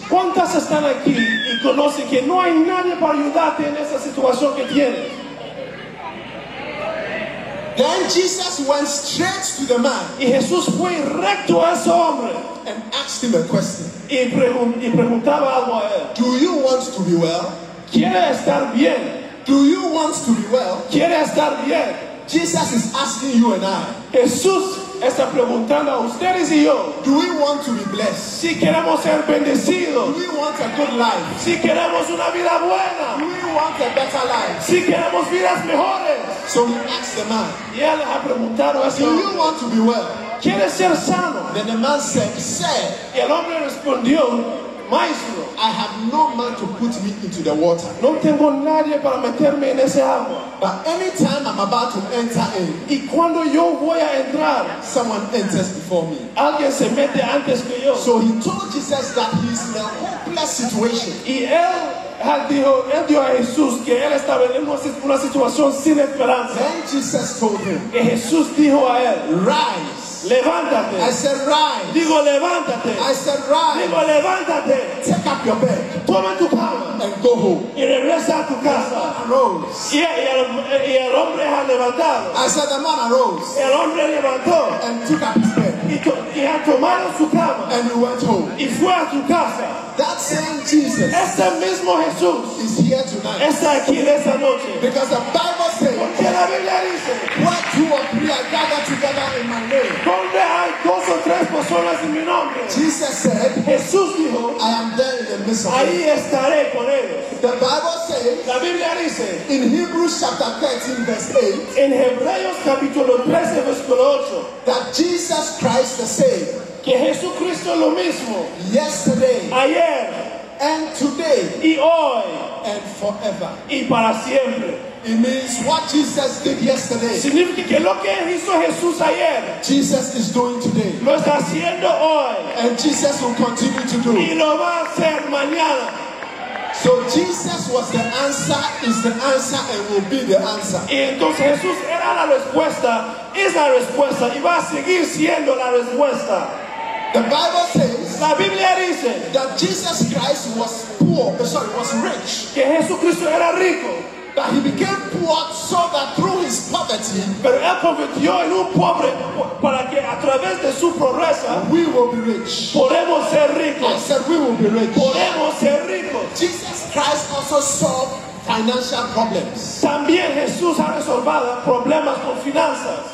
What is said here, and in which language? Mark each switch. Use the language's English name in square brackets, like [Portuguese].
[Spanish] ¿Cuántas están aquí y conocen que no hay nadie para ayudarte en esa situación que tienes? [English] Then Jesus went straight to the man. [Spanish] Y Jesús fue recto a ese hombre. [English] And asked him a question. [Spanish] Y preguntaba algo a él. [English] Do you want to be well? [Spanish] ¿Quiere estar bien? [English] Do you want to be well? [Spanish] ¿Quiere estar bien? [English] Jesus is asking you and I. [Spanish] Jesús está preguntando a ustedes y yo. [English] Do we want to be blessed? [Spanish] Si queremos ser bendecidos. [English] Do we want a good life? [Spanish] Si queremos una vida buena. [English] Do we want a better life? [Spanish] Si queremos vidas mejores. [English] So he asked the man. [Spanish] Y él le ha preguntado a [English] Do you want to be well? [Spanish] ¿Quieres ser sano? [English] Then the man said. [Spanish] Y el hombre respondió. Maestro, [English] I have no man to put me into the water. [Spanish] No tengo nadie para meterme en ese agua. [English] But anytime I'm about to enter in, [Spanish] y cuando yo voy a entrar, [English] someone enters before me. [Spanish] Alguien se mete antes que yo. [English] So he told Jesus that he's in a hopeless situation. [Spanish] Y él dijo a Jesús que él estaba en una situación sin esperanza. [English] Then Jesus told him. [Spanish] Y Jesús dijo a él, [English] rise. [Spanish] Levántate. [English] I said rise. [Spanish] Digo levántate. [English] I said rise. [Spanish] Digo levántate. [English] Take up your bed. [Spanish] Toma tu cama. [English] And go home. [Spanish] Y regresa a tu casa. [English] The man arose. [Spanish] Y el hombre ha levantado. [English] I said the man arose. [Spanish] El hombre levantó. [English] And took up his bed. [Spanish] Y ha tomado su cama. [English] And he went home. [Spanish] Y fue a su casa. [English] That same Jesus. [Spanish] Este mismo Jesús. [English] Is here tonight. [Spanish] Está aquí en esta noche. [English] Because the Bible says. [Spanish] Porque la Biblia dice. [English] What two or three are gathered together in my name. [Spanish] Donde hay dos o tres personas en mi nombre. [English] Jesus said. [Spanish] Jesús dijo. [English] I am there in the midst of [Spanish] them. Ahí estaré con ellos. [English] The Bible says. [Spanish] La Biblia dice. [English] In Hebrews chapter 13 verse 8. [Spanish] En Hebreos capítulo 13 versículo 8. [English] That Jesus Christ the same. [Spanish] Que Jesucristo lo mismo. [English] Yesterday. [Spanish] Ayer. [English] And today. [Spanish] Y hoy. [English] And forever. [Spanish] Y para siempre. [English] It means what Jesus did yesterday. [Spanish] Significa que lo que hizo Jesús ayer. [English] Jesus is doing today. [Spanish] Lo está haciendo hoy. [English] And Jesus will continue to do. [Spanish] Y lo va a hacer mañana. [English] So Jesus was the answer, is the answer, and will be the answer. [Spanish] Y entonces Jesús era la respuesta, es la respuesta, y va a seguir siendo la respuesta. [English] The Bible says. [Spanish] La Biblia dice. [English] That Jesus Christ was poor, sorry, was rich. [Spanish] Que Jesucristo era rico. [English] That he became poor so that through his poverty. [Spanish] Pero él convirtió en un pobre para que a través de su pobreza. [English] We will be rich. [Spanish] Podemos ser ricos. [English] I said we will be rich. [Spanish] Podemos ser ricos. [English] Jesus Christ also solved financial problems. [Spanish] También Jesús ha resolvido problemas con finanzas.